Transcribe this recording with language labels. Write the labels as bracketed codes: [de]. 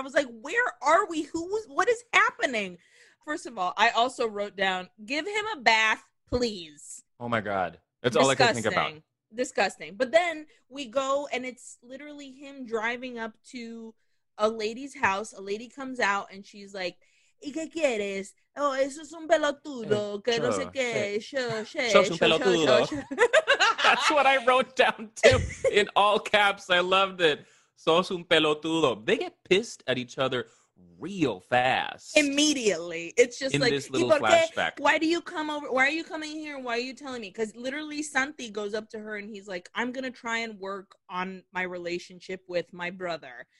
[en] I was like, where are we? What is happening? First of all, I also wrote down, give him a bath, please. Oh my God. That's all I could think about. Disgusting. But then we go and it's literally him driving up to a lady's house. A lady comes out and she's like, [es] ¿y qué quieres? Oh, eso es un pelotudo, que no sé qué. [en] That's what I wrote down too in all caps. I loved it. [es] Sos un pelotudo. [en] They get pissed at each other real fast. Immediately. It's just in like this little flashback. Why do you come over? Why are you coming here? Why are you telling me? Because literally Santi goes up to her and he's like, I'm going to try and work on my relationship with my brother.